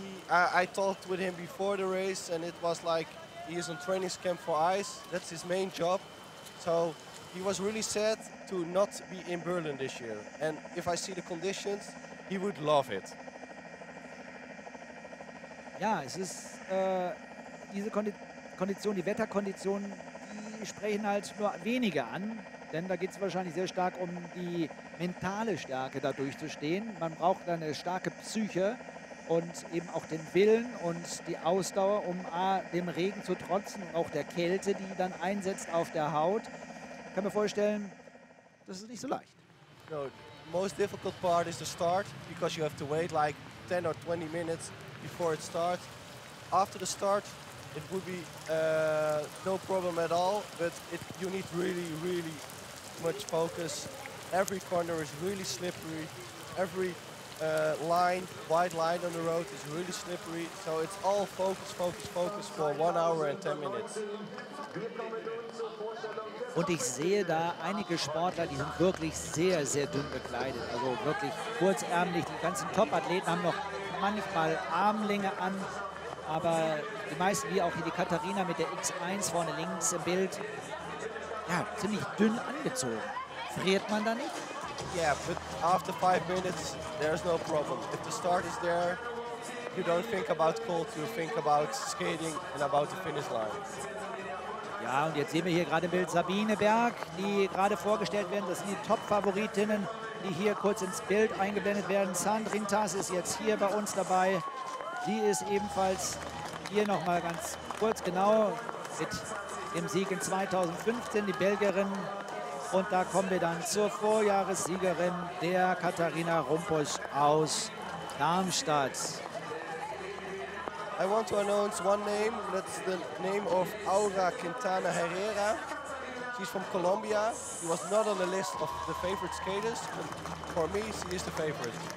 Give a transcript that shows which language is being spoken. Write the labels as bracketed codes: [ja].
[en] I talked with him before the race, and it was like he is on training camp for ice. That's his main job. So he was really sad to not be in Berlin this year. And if I see the conditions, he would love it. Yeah, it is. [de] Diese Kondition, die Wetterkonditionen, die sprechen halt nur wenige an, denn da geht es wahrscheinlich sehr stark um die mentale Stärke, da durchzustehen. Man braucht eine starke Psyche und eben auch den Willen und die Ausdauer, um dem Regen zu trotzen und auch der Kälte, die dann einsetzt auf der Haut. Ich kann mir vorstellen, das ist nicht so leicht. [en] No, the most difficult part is the start, because you have to wait like 10 or 20 minutes before it starts. After the start, it would be no problem at all, but you need really, really much focus. Every corner is really slippery. Every line, white line on the road is really slippery. So it's all focus, focus, focus for 1 hour and 10 minutes. [de] Und ich sehe da einige Sportler, die sind wirklich sehr, sehr dünn gekleidet. Also wirklich kurzärmlich. Die ganzen Top-Athleten haben noch manchmal Armlänge an. Aber die meisten, wie auch hier die Katharina mit der X1 vorne links im Bild, ja, ziemlich dünn angezogen. Friert man da nicht? [en] Yeah, but after 5 minutes, there's no problem. If the start is there, you don't think about cold, you think about skating and about the finish line. [de] Ja, und jetzt sehen wir hier gerade im Bild Sabine Berg, die gerade vorgestellt werden. Das sind die Top-Favoritinnen, die hier kurz ins Bild eingeblendet werden. Sandrin Tass ist jetzt hier bei uns dabei. Sie ist ebenfalls hier noch mal ganz kurz genau mit dem Sieg in 2015, die Belgierin. Und da kommen wir dann zur Vorjahressiegerin, der Katharina Rumpus aus Darmstadt. [en] I want to announce one name, that's the name of Aura Quintana Herrera. She's from Colombia. She was not on the list of the favorite skaters, but for me, she is the favorite.